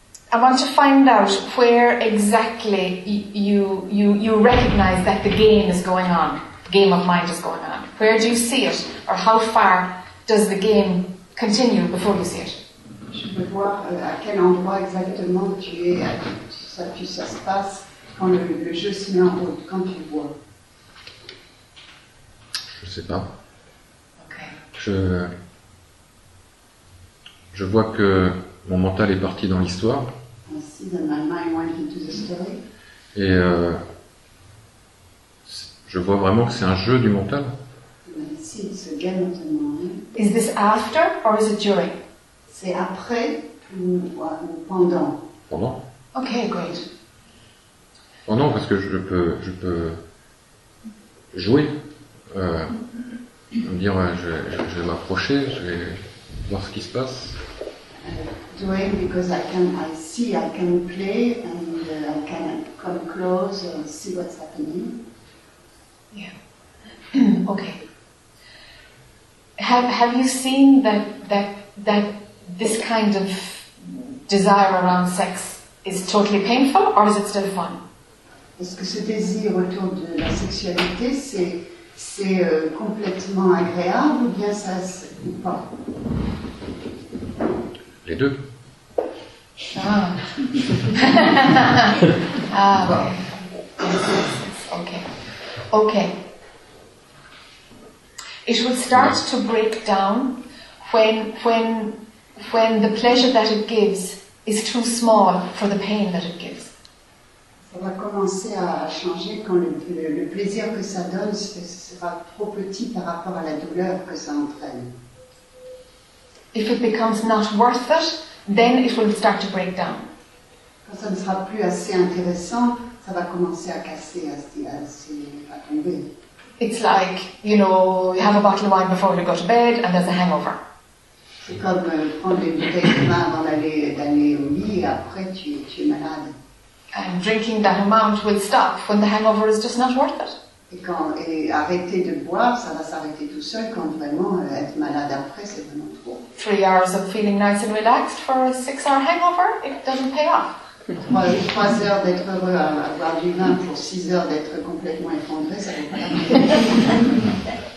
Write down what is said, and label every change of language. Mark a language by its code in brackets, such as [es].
[en] I want to find out where exactly you recognize that the game is going on. The game of mind is going on. Where do you see it, or how far does the game continue before you see it? [fr] Je veux voir à quel endroit exactement tu es, que ça se passe quand le jeu se met en route, quand tu vois. Je ne sais pas. Okay. Je vois que mon mental est parti dans l'histoire. [en] I see that my mind went into the story. [fr] Et je vois vraiment que c'est un jeu du mental. [en] I see it's a game of the mind. Is this after or is it during? [fr] C'est après ou pendant? Pendant. [en] Okay, great. [fr] Pendant, parce que je peux jouer. Me dire, je vais m'approcher, je vais voir ce qui se passe. [en] Doing because I can play and I can come close and see what's happening. Yeah. Okay. Have you seen that this kind of desire around sex is totally painful or is it still fun? [fr] Est-ce que ce désir autour de la sexualité c'est complètement agréable ou bien ça ou pas? Les deux. [en] Ah. Ah. Okay. Okay. Okay. It will start to break down when the pleasure that it gives is too small for the pain that it gives. [fr] Ça va commencer à changer quand le plaisir que ça donne sera trop petit par rapport à la douleur que ça entraîne. [en] If it becomes not worth it, then it will start to break down. [fr] Quand ça ne sera plus assez intéressant, ça va commencer à casser, à tomber. [en] It's like, you know, you have a bottle of wine before you go to bed and there's a hangover. [fr] C'est comme prendre une bouteille de vin avant d'aller au lit et après tu es malade. [en] And drinking that amount will stop when the hangover is just not worth it. [fr] Et arrêter de boire, ça va s'arrêter tout seul quand vraiment être malade après, c'est vraiment trop. [en] 3 hours of feeling nice and relaxed for a 6 hour hangover, it doesn't pay off. [fr] 3 heures d'être heureux à avoir du vin pour 6 heures d'être complètement effondré, ça ne va pas.